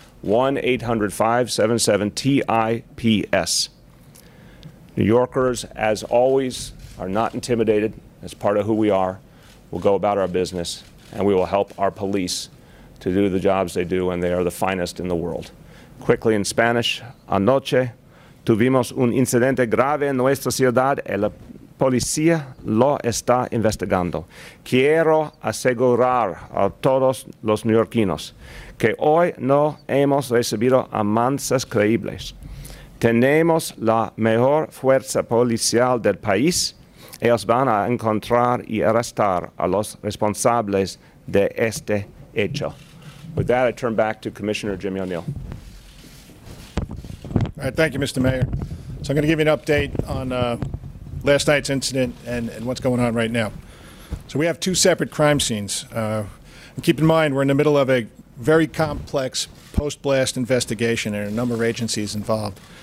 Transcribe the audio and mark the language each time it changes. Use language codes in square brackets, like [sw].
[en] 1-800-577-TIPS. New Yorkers, as always, are not intimidated. As part of who we are, we'll go about our business, and we will help our police to do the jobs they do, and they are the finest in the world. Quickly in Spanish, [es] anoche tuvimos un incidente grave en nuestra ciudad, y la policía lo está investigando. Quiero asegurar a todos los neoyorquinos que hoy no hemos recibido amenazas creíbles. Tenemos la mejor fuerza policial del país. Ellos van a encontrar y arrestar a los responsables de este hecho. [en] With that, I turn back to Commissioner Jimmy O'Neill. All right, thank you, Mr. Mayor. So I'm going to give you an update on last night's incident and what's going on right now. So we have two separate crime scenes. And keep in mind, we're in the middle of a very complex post-blast investigation, and a number of agencies involved.